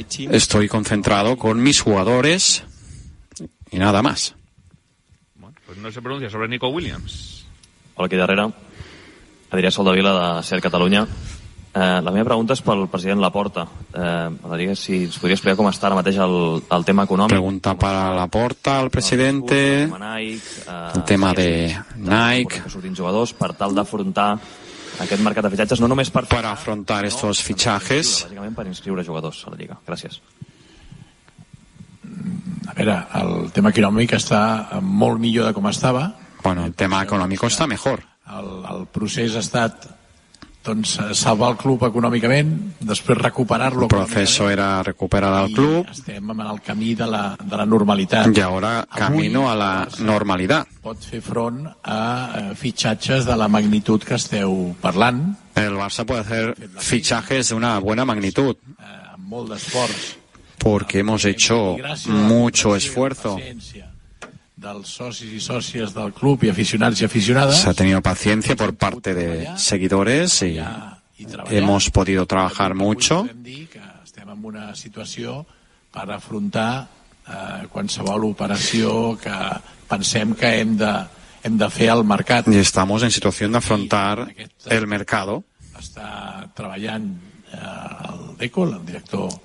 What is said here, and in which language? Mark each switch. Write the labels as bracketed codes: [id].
[es] Estoy concentrado con mis jugadores y nada más. Bueno, pues no se pronuncia sobre Nico Williams. [ca] Hola, aquí darrere. Adrià Soldavila, de Ser Catalunya. La meva pregunta és pel president Laporta. M'agradaria si ens podria explicar com està ara mateix el tema econòmic. Pregunta per a Laporta, al president. El tema de Nike. Que surtin jugadors per tal d'afrontar aquest mercat de fitxatges, no només per... Per afrontar estos fitxatges. Bàsicament per inscriure jugadors a la Lliga. Gràcies. A veure, el tema econòmic està molt millor de com estava. Bueno, el tema econòmic està millor. El procés ha estat... Doncs salvar el club econòmicament, després recuperar-lo. [es] El proceso era recuperar el club. [ca] Estem en el camí de la normalitat. I ara camino a la normalitat. Pot fer front a fitxatges de la magnitud que esteu parlant. El Barça pot fer fitxatges d'una bona magnitud. Amb molt d'esforç. Perquè hem fet molt esforç. Dels socis i sòcies del club i aficionats i aficionades. [es] S'ha tenido paciencia por parte de seguidores y hemos podido trabajar mucho. [ca] Estem en una situació per afrontar qualsevol operació que pensem que hem de fer al mercat. [es] Y estamos en situación de afrontar el mercado. [ca] Està treballant el Deco, el director.